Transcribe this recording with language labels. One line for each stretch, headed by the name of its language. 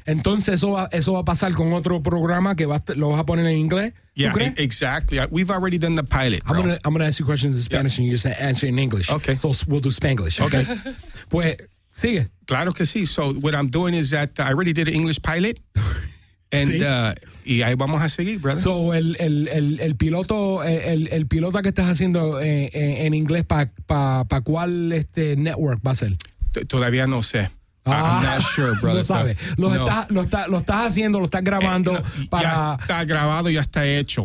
Spanish: Entonces eso va a pasar con otro programa que lo vas a poner en inglés.
English: Yeah, exactly. We've already done the pilot. Bro. I'm gonna ask you questions in Spanish and you just answer in English. Okay, so we'll do Spanglish. Okay, pues.
Spanish: Sí. Claro que sí.
English: So what I'm doing is that I already did an English pilot, and sí.
Spanish: Y ahí vamos a seguir, brother. So el piloto que estás haciendo en inglés pa cuál este network va a ser? Todavía no sé.
English: I'm not sure, brother.
Spanish: No sabe. Lo estás grabando para. Ya está grabado, ya está hecho.